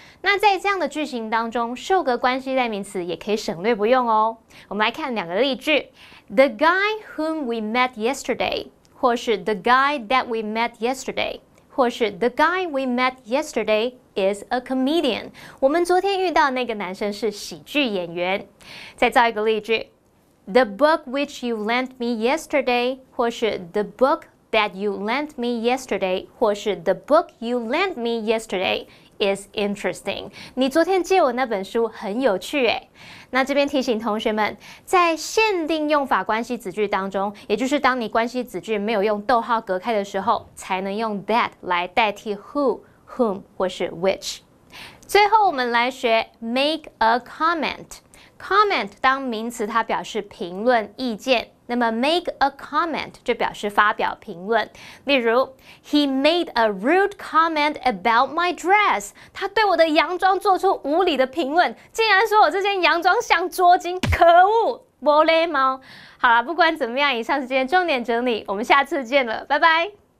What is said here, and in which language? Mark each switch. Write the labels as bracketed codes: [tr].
[zh] 那在这样的句型当中，受格关系代名词也可以省略不用哦。我们来看两个例句。 [en] The guy whom we met yesterday [zh] 或是 [en] The guy that we met yesterday 或是 The guy we met yesterday is a comedian。 [zh] 我们昨天遇到那个男生是喜剧演员。再造一个例句。 [en] The book which you lent me yesterday, [zh] 或是 [en] the book that you lent me yesterday, 或是 the book you lent me yesterday is interesting. [zh] 你昨天借我那本书很有趣耶。那这边提醒同学们，在限定用法关系子句当中，也就是当你关系子句没有用逗号隔开的时候，才能用 that 来代替 who, whom, 或是 which。最后我们来学 make a comment。Comment 当名词，它表示评论、意见。那么 make a comment 就表示发表评论。例如 [en] ，He made a rude comment about my dress. [zh] 他对我的洋装做出无理的评论，竟然说我这件洋装像捉襟，可恶，没礼貌。好了，不管怎么样，以上是今天重点整理，我们下次见了，拜拜。